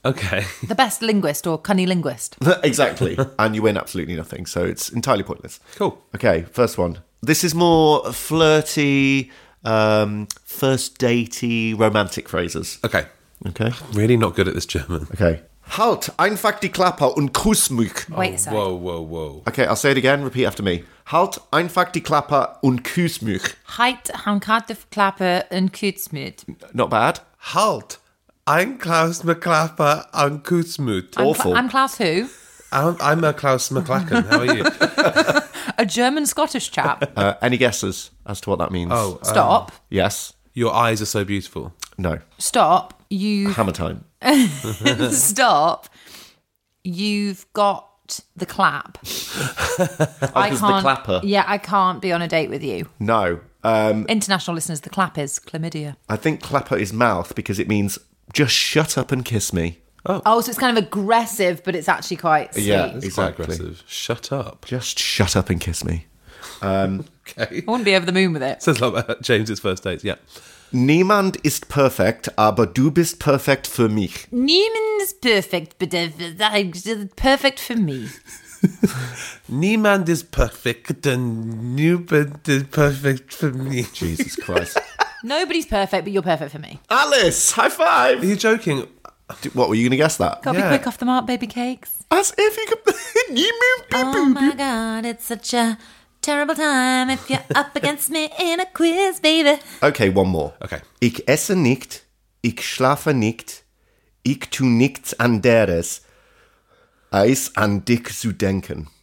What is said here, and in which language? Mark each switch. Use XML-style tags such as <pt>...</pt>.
<en>Okay. The best linguist or cunny linguist. Exactly. And you win absolutely nothing, so it's entirely pointless. Cool. Okay, first one. This is more flirty, first datey, romantic phrases. Okay. Okay. Really not good at this German. Okay.</en> <de>Halt einfach die Klappe und kuss mich.</de> <en>Wait a second. Whoa, whoa, whoa. Okay, I'll say it again. Repeat after me.</en> <de>Halt einfach die Klappe und kuss mich. Halt einfach die Klappe und kuss mich.</de> <en>Not bad.</en> <de>Halt einfach die Klappe und kuss mich.</de> <en>Awful. I'm Klaus who? I'm a Klaus McClacken. How are you? A German Scottish chap. Any guesses as to what that means? Oh, stop. Yes. Your eyes are so beautiful. No. Stop. You. Hammer time. Stop. You've got the clap. Oh, I can't, the clapper. Yeah, I can't be on a date with you. No. International listeners, the clap is chlamydia. I think clapper is mouth because it means just shut up and kiss me. Oh. Oh, so it's kind of aggressive, but it's actually quite sweet. Yeah, it's exactly. Quite aggressive. Shut up. Just shut up and kiss me. Okay. I wouldn't be over the moon with it. Says a lot about James's first dates, yeah.</en> <de>Niemand ist perfekt, aber du bist perfekt für mich. Niemand ist perfekt,</de> <en>but perfect for me.</en> <de>Niemand ist perfekt, und du bist perfekt für mich.</de> <en>Jesus Christ. Nobody's perfect, but you're perfect for me. Alice, high five. Are you joking? What, were you going to guess that? Got to be quick off the mark, baby cakes. As if you could...</en> <de>Niemand,</de> <en>oh my God, it's such a... terrible time if you're up against me in a quiz, baby. Okay, one more. Okay.</en> <de>Ich esse nicht, ich schlafe nicht, ich tu nichts anderes, als an dich zu denken.</de>